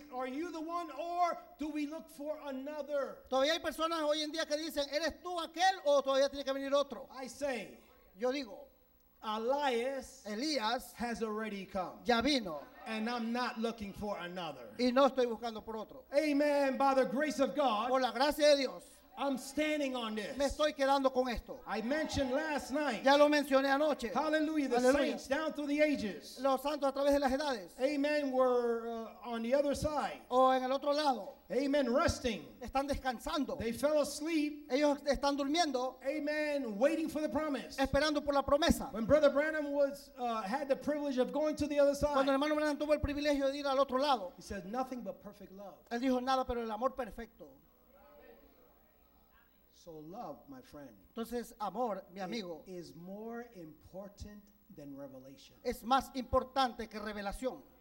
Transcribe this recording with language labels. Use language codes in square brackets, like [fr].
[en] Are you the one, or do we look for another? [es] Todavía hay personas hoy en día que dicen, ¿eres tú aquel o todavía tiene que venir otro? [en] I say. [es] Yo digo. [en] Elias has already come. [es] Ya vino. [en] And I'm not looking for another. [es] Y no estoy buscando por otro. [en] Amen. By the grace of God. [es] Por la gracia de Dios. [en] I'm standing on this. [es] Me estoy quedando con esto. [en] I mentioned last night. [es] Ya lo mencioné anoche. [en] Hallelujah. The Hallelujah. Saints down through the ages. [es] Los santos a través de las edades. [en] Amen. Were on the other side. [es] O en el otro lado. [en] Amen. Resting. [es] Están descansando. [en] They fell asleep. [es] Ellos están durmiendo. [en] Amen. Waiting for the promise. [es] Esperando por la promesa. [en] When Brother Branham was had the privilege of going to the other side. [es] Cuando el hermano Branham tuvo el privilegio de ir al otro lado. [en] He said nothing but perfect love. [es] Él dijo nada pero el amor perfecto. [en] So love, my friend. [es] Entonces amor, mi amigo. [en] Is more important than revelation. [es] Es más importante que revelación.